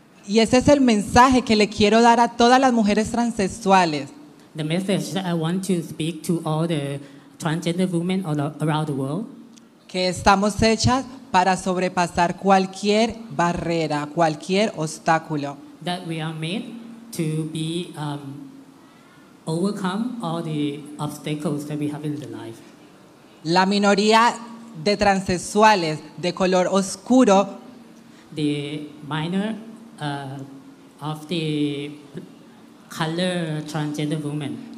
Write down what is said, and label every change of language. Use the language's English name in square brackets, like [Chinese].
[Spanish] Y ese es el mensaje que le quiero dar a todas las mujeres transexuales. [English] The message that I want to speak to all the transgender women all around the world. [Spanish] Que estamos hechas para sobrepasar cualquier barrera, cualquier obstáculo. [English] That we are made to be overcome all the obstacles that we have in the life. [Spanish] La minoría de transexuales de color oscuro. [English] The minor of the color transgender women.